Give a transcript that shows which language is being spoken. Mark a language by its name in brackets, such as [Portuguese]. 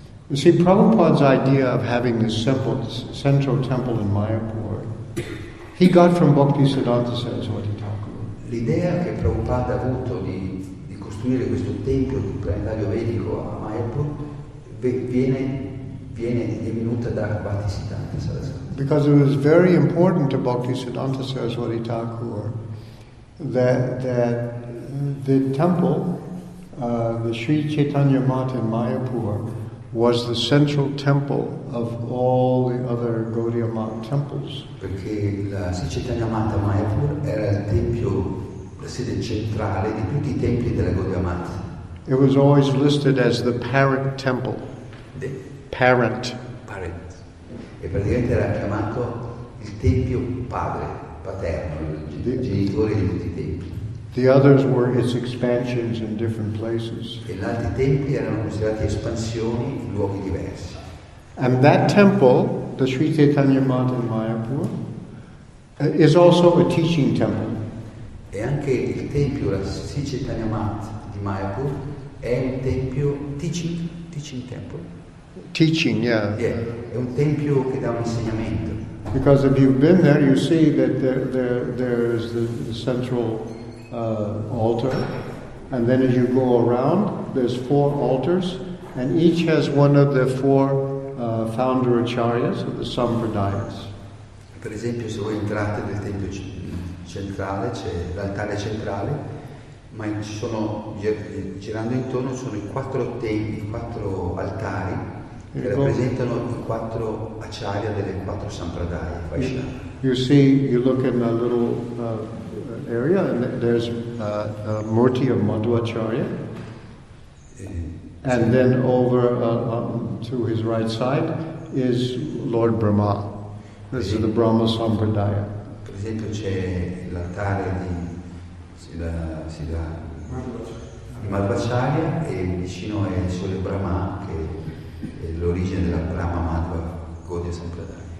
[English] You see, Prabhupada's idea of having this simple central temple in Mayapur, he got from Bhaktisiddhanta Saraswati Thakur. [Italian] L'idea che Prabhupada ha avuto di costruire questo tempio di calendario vedico a Mayapur è venuta da Bhaktisiddhanta Saraswati. [English] Because it was very important to Bhaktisiddhanta Saraswati Thakur that the temple, the Sri Chaitanya Math in Mayapur, was the central temple of all the other Gaudiya Math temples. [Italian] Perché la Sri Chaitanya Math a Mayapur era il tempio, la sede centrale di tutti i templi della Gaudiya Math. [English] It was always listed as the parent temple. Parent. [Italian] E praticamente era chiamato il tempio padre, paterno, genitore di tutti i templi. [English] The others were its expansions in different places. [Italian] E gli altri templi erano considerati espansioni in luoghi diversi. [English] And that temple, the Sri Chaitanya Math in Mayapur, is also a teaching temple. [Italian] E anche il tempio, la Sri Chaitanya Math di Mayapur, è un tempio [English] teaching temple. Teaching, yeah. [Italian] Yeah, è un tempio che dà un insegnamento. [English] Because if you've been there, you see that there's the central altar, and then as you go around, there's four altars, and each has one of the four founder acharyas of the sampradayas. [Italian] Per esempio, se voi entrate nel tempio centrale, c'è l'altare centrale, ma ci sono girando intorno sono i quattro altari che rappresentano i quattro acharya delle quattro sampradaya. [English] You see, you look in a little area, and there's a Murti of Madhvacharya, and then over to his right side is Lord Brahma. This is the Brahma Sampradaya. [Italian] Per esempio, c'è l'altare di Siddha Madhvacharya, e vicino è solo Brahma, che è l'origine della Brahma Madhva Gaudiya Sampradaya.